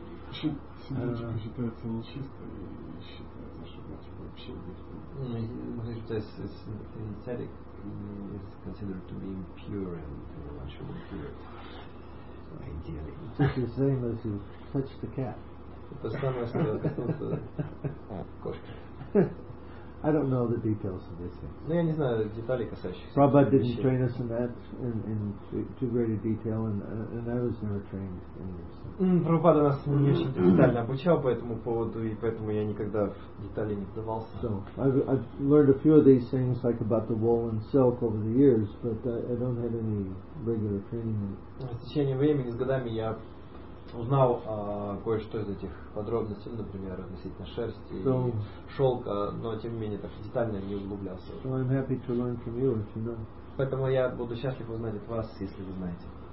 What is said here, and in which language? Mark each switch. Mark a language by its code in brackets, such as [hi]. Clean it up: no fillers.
[ru] Синтетика считается нечистой и считается, что значит вообще [en] синтетик is considered to be impure and actually impure. Ideally. It's the same as you touch the cat. [ru] Это самое, что я коснулся кошки. [en] I don't know the details of this thing. [ru] Ну, я не знаю деталей, касающихся. [en] Prabhupada didn't train us in that in too great a detail, and I was never trained in this. [ru] Prabhupada нас не очень детально обучал по этому поводу, и поэтому я никогда в детали не вдавался. [en] So I've learned a few of these things, like about the wool and silk, over the years, but I don't have any regular training. [ru] С течением времени, с годами, я узнал кое-что из этих подробностей, например, относительно шерсти и шелка, но тем не менее так детально не углублялся. [en] So I'm happy to learn from you, if you know. [ru] Поэтому я буду счастлив узнать от вас, если вы знаете.